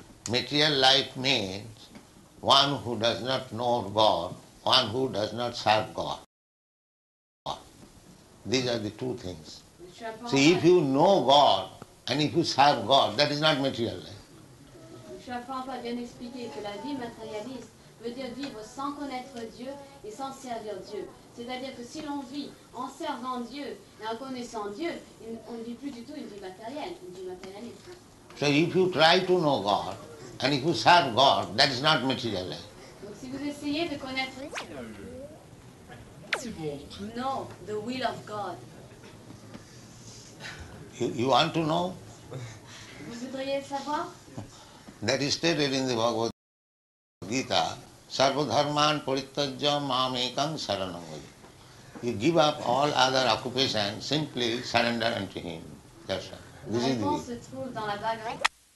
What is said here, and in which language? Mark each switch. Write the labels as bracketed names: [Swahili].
[English] material life means one who does not know God. One who does not serve God. These are the two things. See, if you know God and if you serve God, that is not material life. [French] Shri Prabhupada vient expliquer que la vie matérialiste veut dire vivre sans connaître Dieu et sans servir Dieu. C'est-à-dire que si l'on vit en servant Dieu et en connaissant Dieu, on ne vit plus du tout une vie matérielle, une vie matérialiste. [English] So if you try to know God and if you serve God, that is not material life. [French] Si vous essayez de connaître non, [English] the will of God. You want to know? [French] Vous voudriez savoir? [English] That is stated in the Bhagavad Gita. [Sanskrit] Sarvadharman parityajya mamekam saranam. [English] You give up all other occupations, simply surrender unto him. That's right. [French] La réponse se trouve dans la Bhagavad Gita.